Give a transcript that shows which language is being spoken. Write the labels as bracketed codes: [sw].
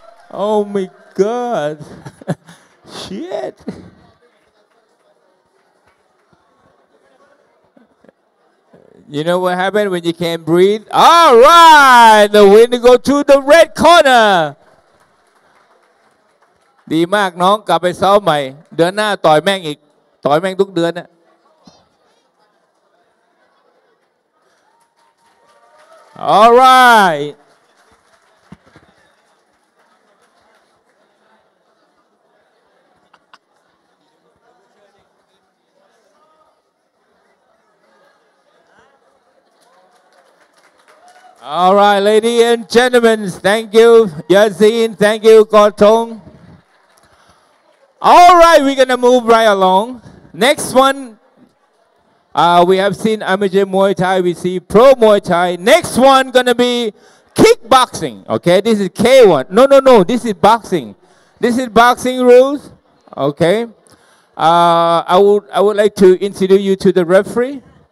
[en] Oh my god. Shit. You know what happened when you can't breathe? Alright, the winner go to the red corner. [th] ดีมากน้องกลับไปซ้อมใหม่เดือนหน้าต่อยแม่งอีกต่อยแม่งทุกเดือนน่ะ [en] ออลไรท์ออลไรท์ ladies and gentlemen thank you Yasin thank you KothongAll right, we're going to move right along. Next one, we have seen Amateur Muay Thai, we see Pro Muay Thai. Next one going to be kickboxing, okay? This is K1. No, this is boxing. This is boxing rules, okay? I would like to introduce you to the referee.